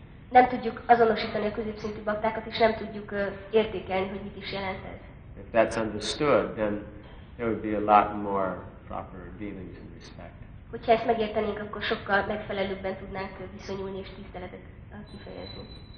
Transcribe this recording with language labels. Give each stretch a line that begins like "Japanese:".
Hungarian: Nem tudjuk azonosítani a középszintű baktákat, és nem tudjuk értékelni, hogy mit is jelent ez.
English: If that's understood, then there would be a lot more proper dealings and respect.
Hungarian: Hogyha ezt megértenénk, akkor sokkal megfelelőbben tudnánk viszonyulni és tiszteletet kifejezni.